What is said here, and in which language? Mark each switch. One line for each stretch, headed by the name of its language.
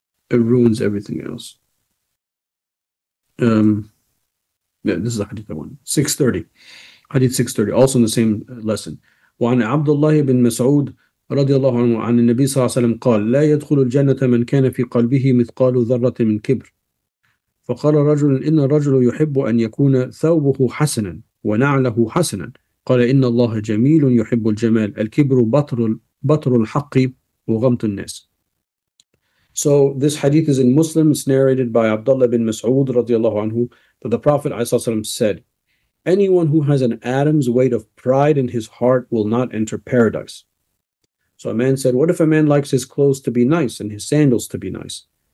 English: It ruins everything else. Yeah, this is the hadith one. 630. حديث 630 also in the same lesson.
Arabic: وعن عبد الله بن مسعود رضي الله عنه عن النبي صلى الله عليه وسلم قال لا يدخل الجنة من كان في قلبه مثقال ذرة من كبر. فقال رجل إن الرجل يحب أن يكون ثوبه حسنا ونعله حسنا. قال إن الله جميل يحب الجمال. الكبر بطر الحق وغمط الناس.
English: So this hadith is in Muslim. It's narrated by Abdullah bin Mas'ud radiallahu anhu that the Prophet ﷺ said, anyone who has an atom's weight of pride in his heart will not enter paradise. So a man said, what if a man likes his clothes to be nice and his sandals to be nice?